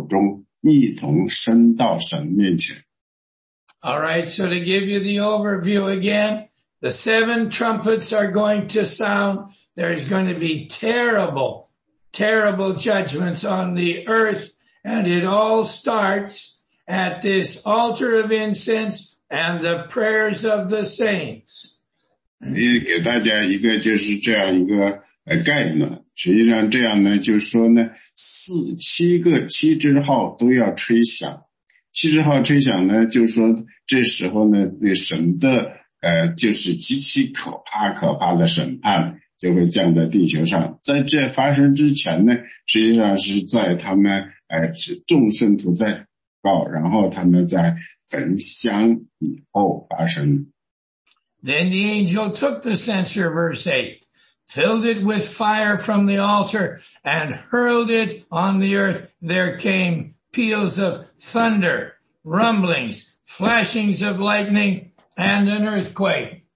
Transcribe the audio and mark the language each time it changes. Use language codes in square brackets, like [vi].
[zh] 第三节和第四节呢，就是把我们刚才讲的这个祷告和焚香结合起来了。第三节是这样说呢，另有一位天使拿着金香炉来，站在祭坛旁边，有许多香赐给他，要和所有圣徒的祷告一同献在宝座前的金坛上。那香的烟和圣徒的祷告从天使的手中一同升到神面前。 [en] All right, so to give you the overview again, the 7 trumpets are going to sound. There's going to be terrible, terrible judgments on the earth. And it all starts at this altar of incense and the prayers of the saints. [zh] 也给大家一个就是这样一个概念。实际上这样呢，就是说呢，七个七之后都要吹响。七之后吹响呢，就是说这时候呢，那神的就是极其可怕的审判就会降在地球上。在这发生之前呢，实际上是在他们众圣徒在祷告，然后他们在焚香以后发生。 [en] Then the angel took the censer, verse 8. Filled it with fire from the altar and hurled it on the earth. There came peals of thunder, rumblings, flashings of lightning, and an earthquake.